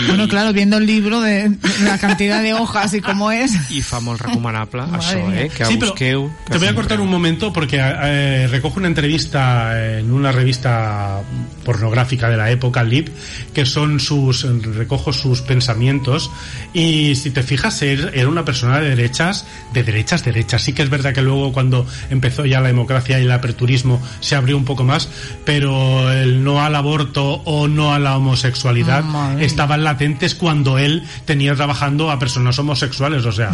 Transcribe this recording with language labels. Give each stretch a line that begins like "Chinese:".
Spanish: bueno, claro, viendo el libro de la cantidad de hojas y cómo es.
Catalan: I fa molt recomanable això, que sí, busqueu.
Spanish: Que te voy a cortar un momento porque recojo una entrevista en una revista pornográfica de la época, Lib, que son sus, recojo sus pensamientos, y si te fijas, era una persona de derechas, sí que es verdad que luego cuando empezó ya la democracia y el aperturismo se abrió un poco más, pero el no al aborto o no a la homosexualidad estaban latentes cuando él tenía trabajando a personas homosexuales, o sea...